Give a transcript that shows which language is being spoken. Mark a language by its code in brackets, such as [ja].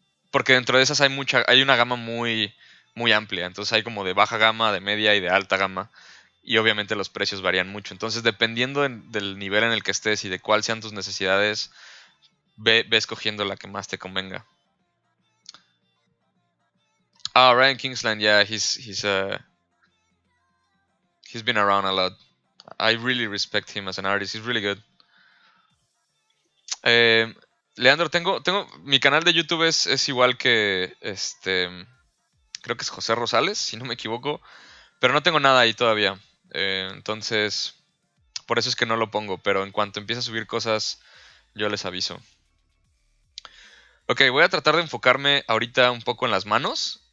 [es] Porque dentro de esas hay una gama muy muy amplia, entonces hay como de baja gama, de media y de alta gama, y obviamente los precios varían mucho. Entonces, dependiendo del nivel en el que estés y de cuáles sean tus necesidades, ve escogiendo la que más te convenga. [en] Ah, Ryan Kingsland, yeah, he's been around a lot. I really respect him as an artist, he's really good. [es] Leandro, mi canal de YouTube es igual que creo que es José Rosales, si no me equivoco. Pero no tengo nada ahí todavía. Entonces, por eso es que no lo pongo. Pero en cuanto empiece a subir cosas, yo les aviso. Ok, voy a tratar de enfocarme ahorita un poco en las manos.